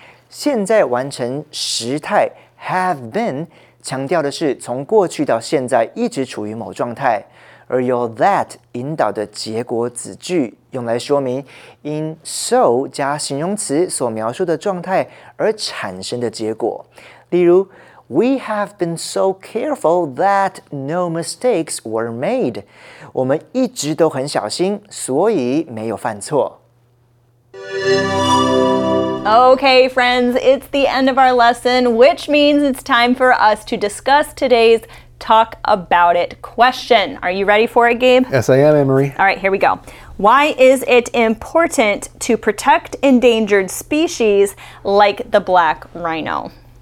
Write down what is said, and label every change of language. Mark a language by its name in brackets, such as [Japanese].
[Chinese] 现在完成时态 have been 强调的是从过去到现在一直处于某状态， 而由 that 引导的结果子句， 用来说明因 so 加形容词所描述的状态而产生的结果。例如， [English] we have been so careful that no mistakes were made. [Chinese] 我们一直都很小心， 所以没有犯错。 [English] Okay, friends, it's the end of our lesson, which means it's time for us to discuss today's talk about it question. Are you ready for it, Gabe? Yes, I am, Anne-Marie. All right, here we go. Why is it important to protect endangered species like the black rhino?